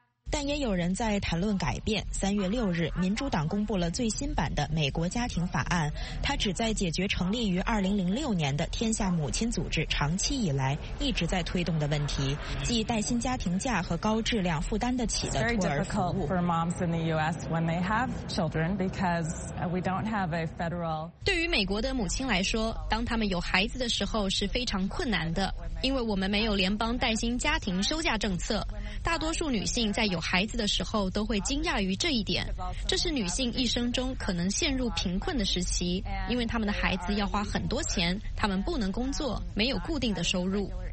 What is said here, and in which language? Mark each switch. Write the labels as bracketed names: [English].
[Chinese] 但也有人在谈论改变。 3月6日，民主党公布了最新版的美国家庭法案，它旨在解决成立于2006年的天下母亲组织长期以来一直在推动的问题，即带薪家庭假和高质量负担得起的托儿服务。 [English] It's very difficult for moms in the U.S. when they have children because we don't have a federal. [Chinese] 对于美国的母亲来说，当他们有孩子的时候是非常困难的，因为我们没有联邦带薪家庭休假政策。大多数女性在有孩子的时候都会惊讶于这一点，这是女性一生中可能陷入贫困的时期，因为他们的孩子要花很多钱，他们不能工作，没有固定的收入。